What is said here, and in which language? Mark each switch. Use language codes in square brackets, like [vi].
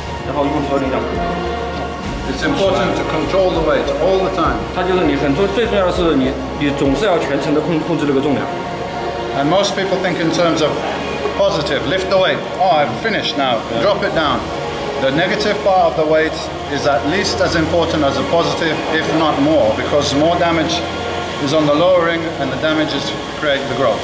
[zh] 没错，那么呀，他就说你不一定一定要放到最下面，就下来的时候，你用把这个所有的肌群把力量全部举到你最大的时候，然后用所有力量。 [en] It's important to control the weight all the time. [zh] 他就是你很重，最重要的是你总是要全程的控制这个重量。 [en] And most people think in terms of positive, lift the weight, oh, I've finished now, drop it down. The negative part of the weight is at least as important as the positive, if not more, because more damage is on the lowering and the damage is creating the growth.